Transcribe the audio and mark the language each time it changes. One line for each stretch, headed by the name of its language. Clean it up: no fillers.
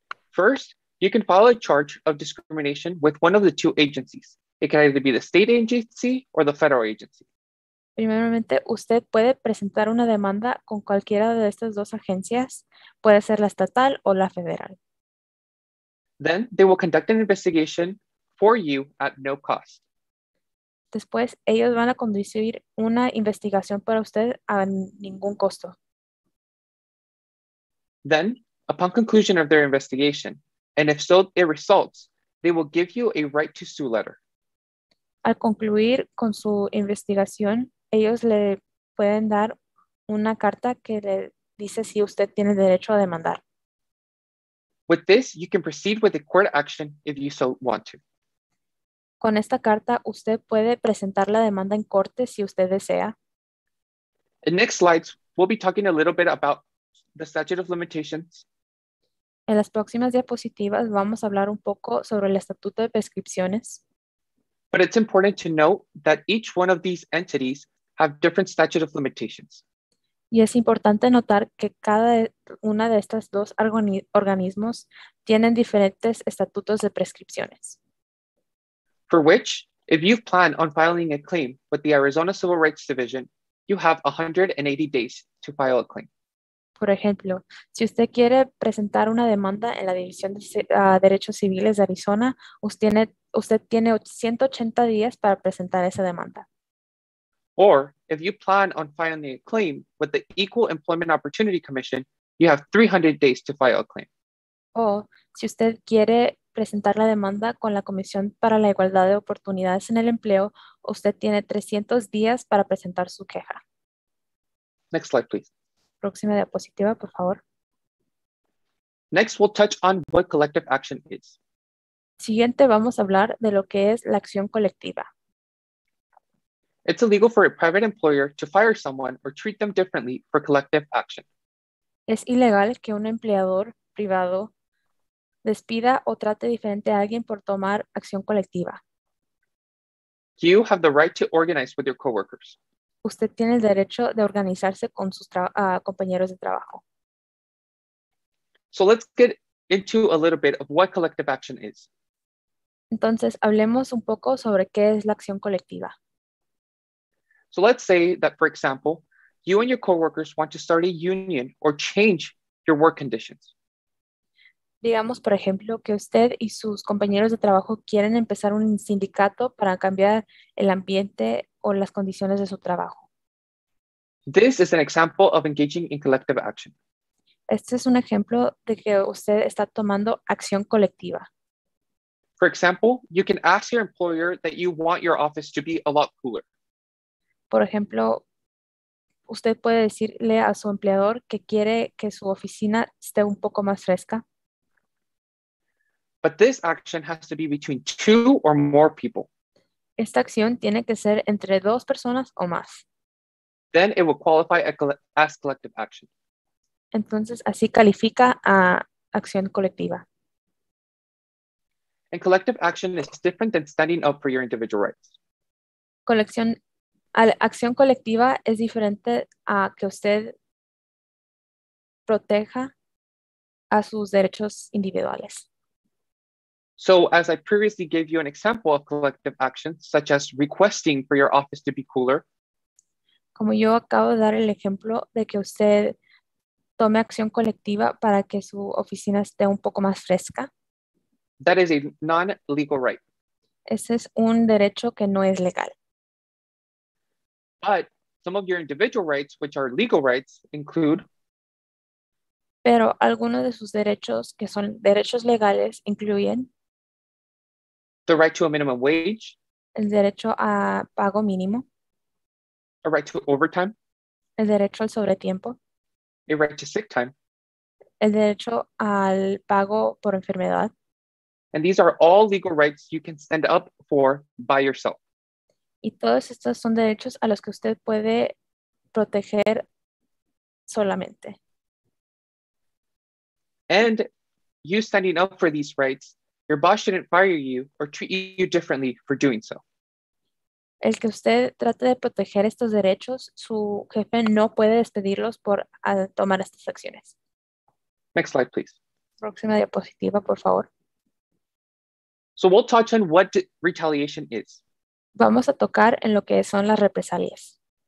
English: First, you can file a charge of discrimination with one of the two agencies. It can either be the state agency or the federal agency.
Spanish: Primeramente, usted puede presentar una demanda con cualquiera de estas dos agencias, puede ser la estatal o la federal.
English: Then they will conduct an investigation for you at no cost.
Spanish: Después, ellos van a conducir una investigación para usted a ningún costo.
English: Then, upon conclusion of their investigation, and if so it results, they will give you a right to sue letter.
Spanish: Al concluir con su investigación, ellos le pueden dar una carta que le dice si usted tiene derecho a demandar.
English: With this, you can proceed with a court action if you so want to.
Spanish: Con esta carta, usted puede presentar la demanda en corte si usted desea.
English: In next slides, we'll be talking a little bit about the statute of limitations.
Spanish: En las próximas diapositivas, vamos a hablar un poco sobre el estatuto de prescripciones.
English: But it's important to note that each one of these entities have different statute of limitations.
Spanish: Y es importante notar que cada una de estas dos organismos tienen diferentes estatutos de prescripciones.
English: For which, if you plan on filing a claim with the Arizona Civil Rights Division, you have 180 days to file a claim.
Spanish: Por ejemplo, si usted quiere presentar una demanda en la División de Derechos Civiles de Arizona, usted tiene 180 días para presentar esa demanda.
English: Or, if you plan on filing a claim with the Equal Employment Opportunity Commission, you have 300 days to file a claim.
Spanish: O, si usted quiere presentar la demanda con la Comisión para la Igualdad de Oportunidades en el Empleo, usted tiene 300 días para presentar su queja.
English: Next slide, please.
Spanish: Próxima diapositiva, por favor.
English: Next, we'll touch on what collective action is.
Spanish: Siguiente, vamos a hablar de lo que es la acción colectiva.
English: It's illegal for a private employer to fire someone or treat them differently for collective action.
Spanish: Es ilegal que un empleador privado despida o trate diferente a alguien por tomar acción colectiva.
English: You have the right to organize with your coworkers.
Spanish: Usted tiene el derecho de organizarse con sus compañeros de trabajo.
English: So let's get into a little bit of what collective action is.
Spanish: Entonces, hablemos un poco sobre qué es la acción colectiva.
English: So let's say that, for example, you and your coworkers want to start a union or change your work conditions.
Spanish: Digamos, por ejemplo, que usted y sus compañeros de trabajo quieren empezar un sindicato para cambiar el ambiente o las condiciones de su trabajo.
English: This is an example of engaging in collective action.
Spanish: Este es un ejemplo de que usted está tomando acción colectiva.
English: For example, you can ask your employer that you want your office to be a lot cooler.
Spanish: Por ejemplo, usted puede decirle a su empleador que quiere que su oficina esté un poco más fresca.
English: But this action has to be between two or more people.
Spanish: Esta acción tiene que ser entre dos personas o más.
English: Then it will qualify as collective action.
Spanish: Entonces, así califica a acción colectiva.
English: And collective action is different than standing up for your individual rights.
Spanish: Acción colectiva es diferente a que usted proteja a sus derechos individuales.
English: So, as I previously gave you an example of collective action, such as requesting for your office to be cooler.
Spanish: Como yo acabo de dar el ejemplo de que usted tome acción colectiva para que su oficina esté un poco más fresca.
English: That is a non-legal right.
Spanish: Ese es un derecho que no es legal.
English: But some of your individual rights, which are legal rights, include.
Spanish: Pero algunos de sus derechos que son derechos legales incluyen.
English: The right to a minimum wage.
Spanish: El derecho a pago mínimo.
English: A right to overtime.
Spanish: El derecho al sobretiempo.
English: A right to sick time.
Spanish: El derecho al pago por enfermedad.
English: And these are all legal rights you can stand up for by yourself.
Spanish: Y todos estos son derechos a los que usted puede proteger solamente.
English: And you standing up for these rights, your boss shouldn't fire you or treat you differently for doing so.
Spanish: El que usted trate de proteger estos derechos, su jefe no puede despedirlos por tomar estas acciones.
English: Next slide, please.
Spanish: Próxima diapositiva, por favor.
English: So we'll touch on what retaliation is.
Spanish: Vamos a tocar en lo que son las represalias.